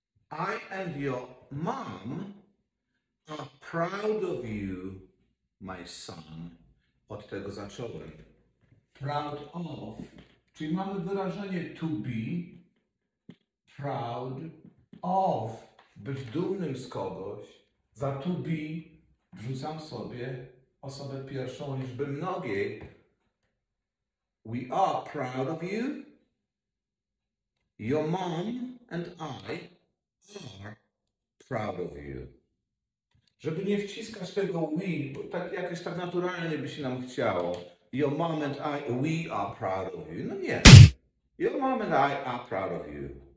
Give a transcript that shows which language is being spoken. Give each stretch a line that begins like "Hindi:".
English: I and your mom are proud of you, my son.
Polish: Od tego zacząłem. Proud of. Czyli mamy wyrażenie to be proud of. Być dumnym z kogoś. Za to be wrzucam sobie osobę pierwszą liczby mnogiej.
English: We are proud of you. Your mom and I are proud of you.
Polish: Żeby nie wciskać tego we, bo tak jakoś tak naturalnie by się nam chciało.
English: Your mom and I, we are proud of you.
Polish: No nie.
English: Your mom and I are proud of you.